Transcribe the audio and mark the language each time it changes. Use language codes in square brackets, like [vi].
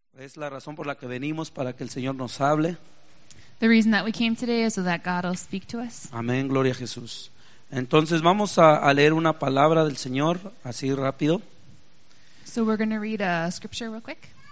[es] Es la razón por la que venimos, para que el Señor nos hable. [en] The reason that we came today is so that God will speak to us. [es] Amén, gloria a Jesús. Entonces vamos a leer una palabra del Señor, así rápido. [en] So we're going to read a scripture real quick.